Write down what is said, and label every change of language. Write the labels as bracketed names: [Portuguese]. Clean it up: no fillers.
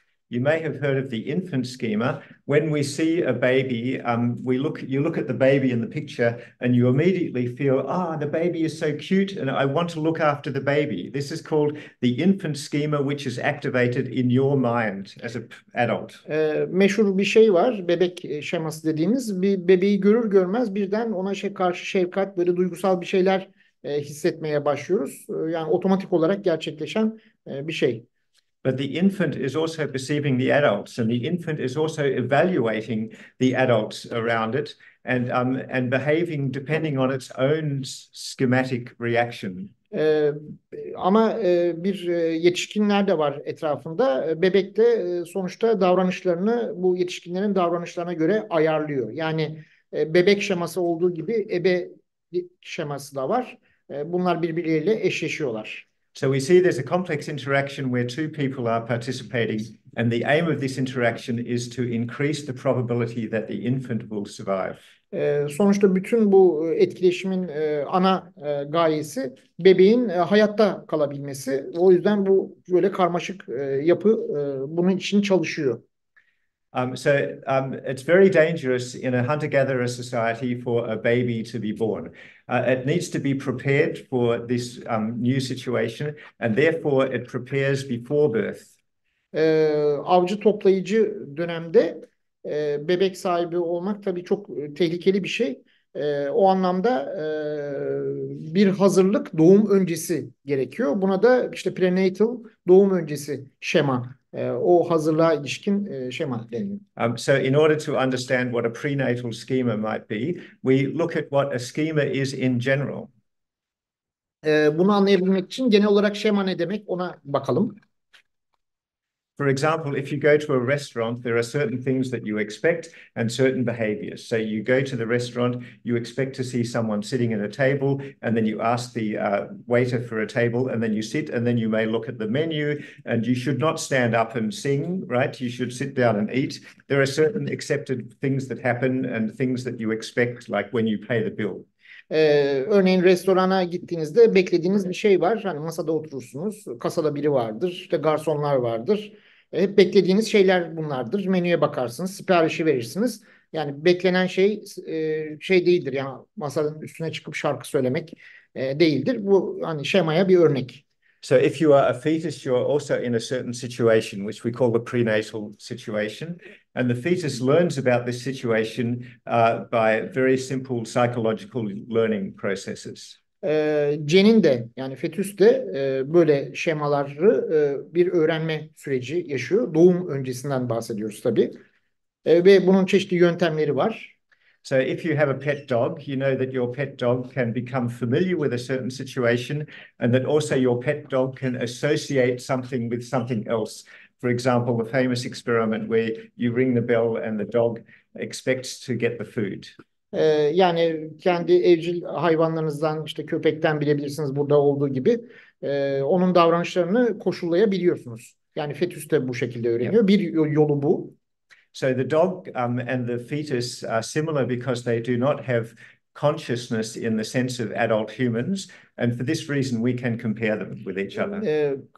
[English] You may have heard of the infant schema. When we see a baby, you look at the baby in the picture and you immediately feel, ah, the baby is so cute and I want to look after the baby. This is called the infant schema, which is activated in your mind as an adult. [Turkish] Meşhur bir şey var, bebek şeması dediğimiz. Bir bebeği görür görmez birden ona karşı şefkat, böyle duygusal bir şeyler hissetmeye başlıyoruz. Yani otomatik olarak gerçekleşen bir şey. [English] But the infant is also perceiving the adults, and the infant is also evaluating the adults around it and behaving depending on its own schematic reaction. [Turkish] Ama bir yetişkinler de var etrafında. Bebek de sonuçta davranışlarını bu yetişkinlerin davranışlarına göre ayarlıyor. Yani bebek şeması olduğu gibi ebe şeması da var. Bunlar birbirleriyle eşleşiyorlar. [English] So we see there's a complex interaction where two people are participating, and the aim of this interaction is to increase the probability that the infant will survive. [Turkish] Sonuçta bütün bu etkileşimin ana gayesi bebeğin hayatta kalabilmesi. O yüzden bu böyle karmaşık yapı bunun için çalışıyor. [English] It's very dangerous in a hunter-gatherer society for a baby to be born. It needs to be prepared for this new situation, and therefore it prepares before birth. [Turkish] Avcı toplayıcı dönemde bebek sahibi olmak tabii çok tehlikeli bir şey. O anlamda bir hazırlık doğum öncesi gerekiyor. Buna da işte prenatal doğum öncesi şema, o hazırlığa ilişkin şema deniyor. [English] So in order to understand what a prenatal schema might be, we look at what a schema is in general. [Turkish] Bunu anlayabilmek için genel olarak şema ne demek ona bakalım. [English] For example, if you go to a restaurant, there are certain things that you expect and certain behaviors. So you go to the restaurant, you expect to see someone sitting at a table, and then you ask the waiter for a table, and then you sit, and then you may look at the menu, and you should not stand up and sing, right? You should sit down and eat. There are certain accepted things that happen and things that you expect, like when you pay the bill. [Turkish] Örneğin restorana gittiğinizde beklediğiniz bir şey var. Hani masada oturursunuz, kasada biri vardır, işte garsonlar vardır. Hep beklediğiniz şeyler bunlardır. Menüye bakarsınız, siparişi verirsiniz. Yani beklenen şey şey değildir. Yani masanın üstüne çıkıp şarkı söylemek değildir. Bu hani şemaya bir örnek. [English] So if you are a fetus, you are also in a certain situation, which we call the prenatal situation. And the fetus learns about this situation by very simple psychological learning processes. [Turkish] Cenin de yani fetüs de böyle şemaları bir öğrenme süreci yaşıyor. Doğum öncesinden bahsediyoruz tabii. Ve bunun çeşitli yöntemleri var. [English] So if you have a pet dog, you know that your pet dog can become familiar with a certain situation and that also your pet dog can associate something with something else. For example, the famous experiment where you ring the bell and the dog expects to get the food. [Turkish] Yani kendi evcil hayvanlarınızdan işte köpekten bilebilirsiniz burada olduğu gibi onun davranışlarını koşullayabiliyorsunuz. Yani fetüs de bu şekilde öğreniyor. Bir yolu bu. [English] So the dog and the fetus are similar because they do not have consciousness in the sense of adult humans, and for this reason we can compare them with each other.